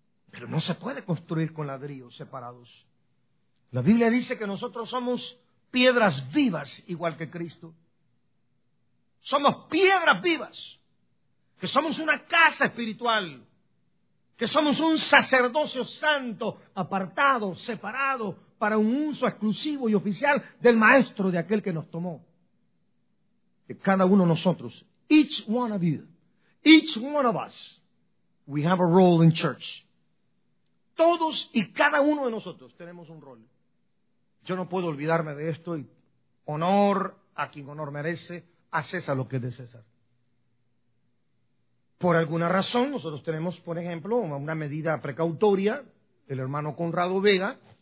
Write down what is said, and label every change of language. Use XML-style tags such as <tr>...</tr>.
<es>Pero no se puede construir con ladrillos separados. La Biblia dice que nosotros somos piedras vivas, igual que Cristo. Somos piedras vivas, que somos una casa espiritual, que somos un sacerdocio santo, apartado, separado, para un uso exclusivo y oficial del Maestro, de aquel que nos tomó. Que cada uno de nosotros,</es> <en>each one of you, each one of us, we have a role in church.</en> <es>Todos y cada uno de nosotros tenemos un rol. Yo no puedo olvidarme de esto, y honor a quien honor merece, a César lo que es de César. Por alguna razón, nosotros tenemos, por ejemplo, una medida precautoria, el hermano Conrado Vega,</es>